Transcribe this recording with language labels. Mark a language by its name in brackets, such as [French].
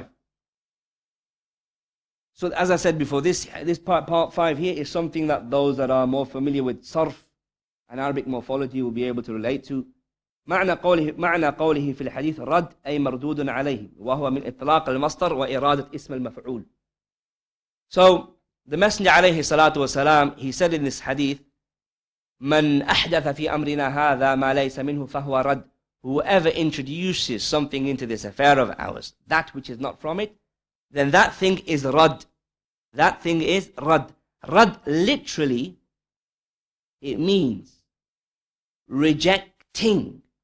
[English] Part number five. So as I said before, this part five here is something that those that are more familiar with sarf and Arabic morphology will be able to relate to. [Arabic] معنى قوله في الحديث رد أي مردود عليه وهو من إطلاق المصدر وإرادة اسم المفعول. [English] So the messenger [Arabic] عليه الصلاة والسلام, [English] he said in this hadith, [Arabic] من أحدث في أمرنا هذا ما ليس منه فهو رد. [English] Whoever introduces something into this affair of ours, that which is not from it, then that thing is رد. That thing is رد. رد literally, it means rejecting.